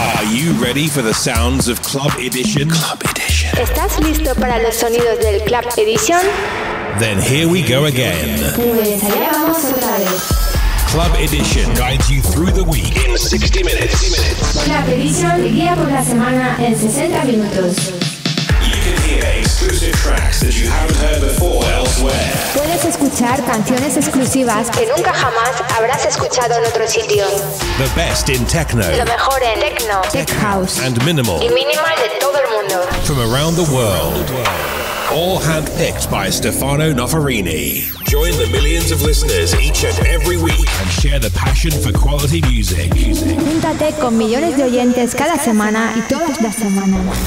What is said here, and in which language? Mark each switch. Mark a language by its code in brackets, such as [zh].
[en] you ready for the sounds of Club Edition? Club Edition. [es] ¿Estás listo para los sonidos del Club Edition? [en] Then here we go again. Club Edition guides you through the week in 60 minutes. [es] Club Edition guía por la semana en 60 minutos. [en] Exclusive tracks that you haven't heard before elsewhere. [es] Puedes escuchar canciones exclusivas que nunca jamás habrás escuchado en otro sitio. [en] The best in techno. [es] Lo mejor en techno, [en] tech house and minimal. [es] Y minimal de todo el mundo. [en] From around the world. All handpicked by Stefano Noferini. Join the millions of listeners each and every week and share the passion for quality music. [es] Júntate con millones de oyentes cada semana y todas las semanas.